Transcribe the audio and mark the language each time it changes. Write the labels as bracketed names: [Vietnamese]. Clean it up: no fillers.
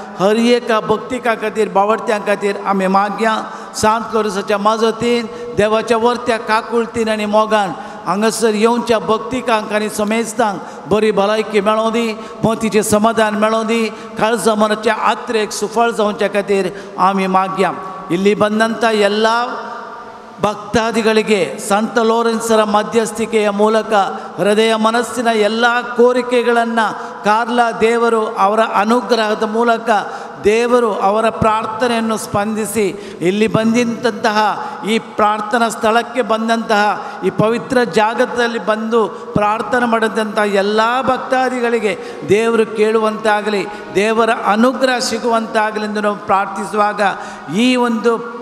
[Goan Konkani] हर एका भक्तिका खातीर बावडत्या खातीर आमी मागया. सांत क्लॉसाच्या मजतीन देवाच्या वरत्या काकुळतीन आनी मोगान हांगासर येवच्या भक्तिकांक आनी समेस्तांक बरी भलायकी मेळो दी, मोतीचें समाधान मेळो दी, काळजा मनाच्या आत्रेक सुफळ जावचे खातीर आमी मागया. [Kannada] इल्ली बंदता एल्ला ಭಕ್ತಾದಿಗಳಿಗೆ ಸಂತ ಲೋರೆನ್ಸರ ಮಧ್ಯಸ್ಥಿಕೆಯ ಮೂಲಕ ಹೃದಯ ಮನಸ್ಸಿನ ಎಲ್ಲ ಕೋರಿಕೆಗಳನ್ನು ಕಾರ್ಲ ದೇವರು ಅವರ ಅನುಗ್ರಹದ ಮೂಲಕ ದೇವರು ಅವರ ಪ್ರಾರ್ಥನೆಯನ್ನು ಸ್ಪಂದಿಸಿ ಇಲ್ಲಿ ಬಂದಂತಹ ಈ ಪ್ರಾರ್ಥನಾ ಸ್ಥಳಕ್ಕೆ ಬಂದಂತಹ ಈ ಪವಿತ್ರ ಜಾಗದಲ್ಲಿ ಬಂದು ಪ್ರಾರ್ಥನೆ ಮಾಡಿದಂತಹ ಎಲ್ಲ ಭಕ್ತಾದಿಗಳಿಗೆ ದೇವರು ಕೇಳುವಂತಾಗಲಿ, ದೇವರ ಅನುಗ್ರಹ ಸಿಗುವಂತಾಗಲಿ ಎಂದು ನಾವು ಪ್ರಾರ್ಥಿಸುವಾಗ ಈ ಒಂದು